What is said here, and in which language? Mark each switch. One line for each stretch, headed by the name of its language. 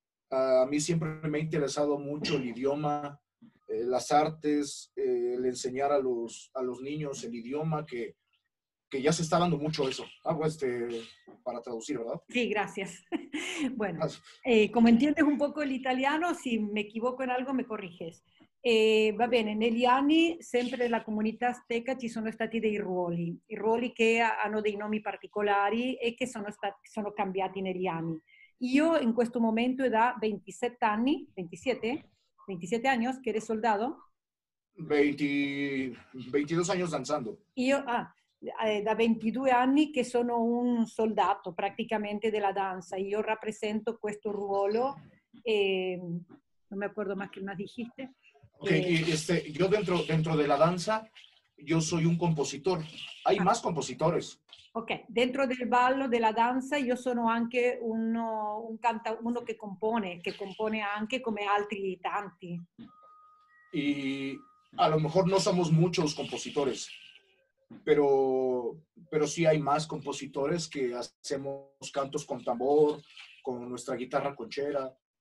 Spanish: A mí siempre me ha interesado mucho el idioma. Las artes, el enseñar a los niños el idioma, que ya se está dando mucho eso. Para traducir, ¿verdad? Sí, gracias. Bueno, gracias. Como entiendes un poco el italiano, si me equivoco en algo me corriges.
Italian: Va bene, negli anni sempre nella comunità azteca ci sono stati dei ruoli, i ruoli che hanno dei nomi particolari e che sono cambiati negli anni. Io in questo momento ho da 27 anni, 27?
Spanish: 27 años, que eres soldado. 22 años danzando. Da 22 años que sono un soldado prácticamente de la danza. Yo represento este ruolo. No me acuerdo más que más dijiste. Okay, yo dentro de la danza, yo soy un compositor. Hay más compositores. Ok, dentro del ballo de la danza, yo
Italian: sono anche
Spanish: uno que compone anche como
Italian: altri tanti.
Spanish: Y a lo mejor no somos muchos compositores, pero sí hay más compositores que hacemos cantos con tambor, con nuestra guitarra conchera.